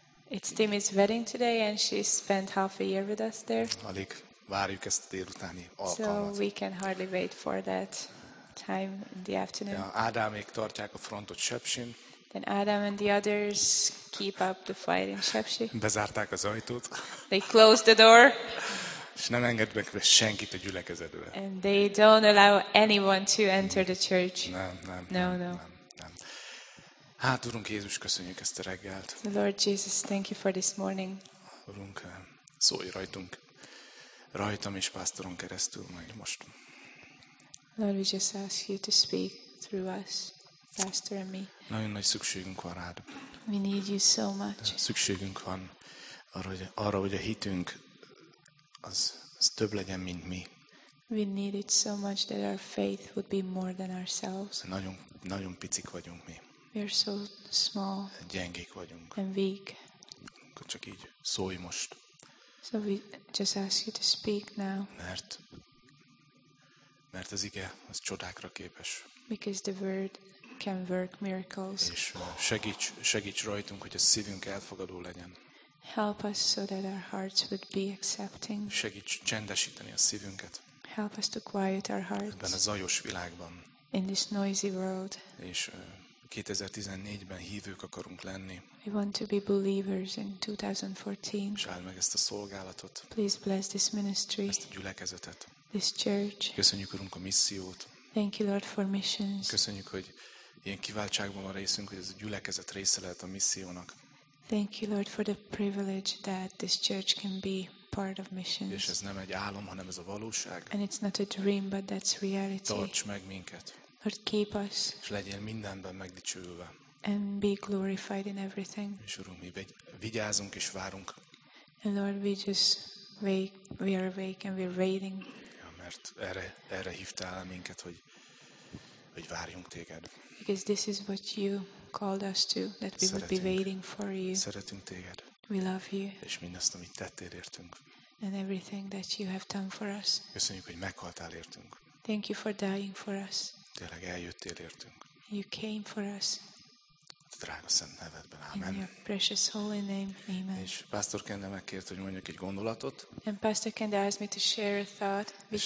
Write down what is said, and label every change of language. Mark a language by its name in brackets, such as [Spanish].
[English] It's Timmy's wedding today and she spent half a year with us there. [Hungarian] Alig várjuk ezt a délutáni alkalmat. [English] So we can hardly wait for that time in the afternoon. [Hungarian] Ja, Ádámék tartják a frontot Sepsin. [English] Then Adam and the others keep up the fight in Sepsi. [Hungarian] Bezárták az ajtót. [English] They closed the door. [Hungarian] És nem engednek be senkit a gyülekezetbe. [English] And they don't allow anyone to enter the church. [Hungarian] Nem. Hát, Urunk Jézus, köszönjük ezt a reggelt. [English] Lord Jesus, thank you for this morning. [Hungarian] Urunk, szólj rajtunk. Rajtam és pásztoron keresztül majd most. [English] Lord, we just ask you to speak through us. Faster than me. [Hungarian] Nagyon nagy szükségünk van rád. [English] We need you so much. [Hungarian] Szükségünk van arra, hogy a hitünk az több legyen, mint mi. [English] We need it so much that our faith would be more than ourselves. [Hungarian] Nagyon, nagyon picik vagyunk mi. [English] We are so small. [Hungarian] Gyengék vagyunk. [English] And weak. [Hungarian] Akkor csak így szólj most. [English] So we just ask you to speak now. [Hungarian] Mert az ige az csodákra képes. [English] Because the word can work miracles. [Hungarian] És segíts rajtunk, hogy a szívünk elfogadó legyen. [English] Help us so that our hearts would be accepting. [Hungarian] Segíts csendesíteni a szívünket. [English] Help us to quiet our hearts. [Hungarian] Ebben a zajos világban. [English] In this noisy world. [Hungarian] És 2014-ben hívők akarunk lenni. [English] We want to be believers in 2014. [Hungarian] És áld meg ezt a szolgálatot. [English] Please bless this ministry. [Hungarian] Ezt a gyülekezetet. [English] This church. [Hungarian] Köszönjük, Urunk, a missziót. [English] Thank you, Lord, for missions. [Hungarian] Köszönjük, hogy ilyen kiváltságban van részünk, hogy ez a gyülekezet része lehet a missziónak. [English] Thank you, Lord, for the privilege that this church can be part of missions. [Hungarian] És ez nem egy álom, hanem ez a valóság. [English] And it's not a dream, but that's reality. [Hungarian] Tarts meg minket. [English] Lord, keep us. [Hungarian] És legyél mindenben megdicsőülve. [English] And be glorified in everything. [Hungarian] És Urunk, mi vigyázunk és várunk. [English] And Lord, we just wait, we are awake and we're waiting. [Hungarian] Ja, mert erre hívtál minket, hogy várjunk téged. [English] Because this is what you called us to, that we would be waiting for you. [Hungarian] Szeretünk téged. [English] We love you. [Hungarian] És mindazt, amit tettél értünk. [English] And everything that you have done for us. [Hungarian] Köszönjük, hogy meghaltál értünk. [English] Thank you for dying for us. [Hungarian] Tényleg eljöttél értünk. [English] You came for us. [Hungarian] Drága szent nevedben, amen. [English] In your precious holy name, amen. [Hungarian] És Pastor Kende megkért, hogy mondjak egy gondolatot. [English] And Pastor Kende asked me to share a thought with